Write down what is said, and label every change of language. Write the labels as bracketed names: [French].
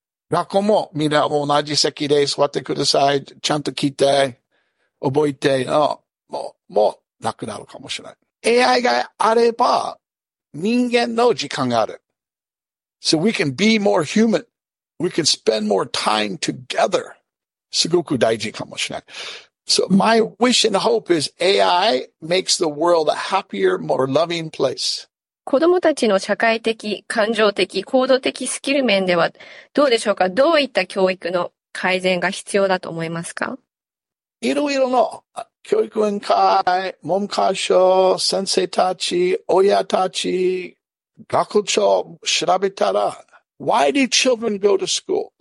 [Japanese] 学校もみんな同じ席で座ってください、ちゃんと聞いて、覚えて、もうなくなるかもしれない。 AI があれば、人間の時間がある。 [English] So we can be more human. We can spend more time together. [Japanese] すごく大事かもしれない。 [English] So my wish and hope is AI makes the world a happier, more loving place. [Japanese] 子どもたちの社会的、感情的、行動的スキル面ではどうでしょうか？どういった教育の改善が必要だと思いますか？いろいろの教育委員会、文科省、先生たち、親たち、学校長調べたら、 [English] Why do children go to school?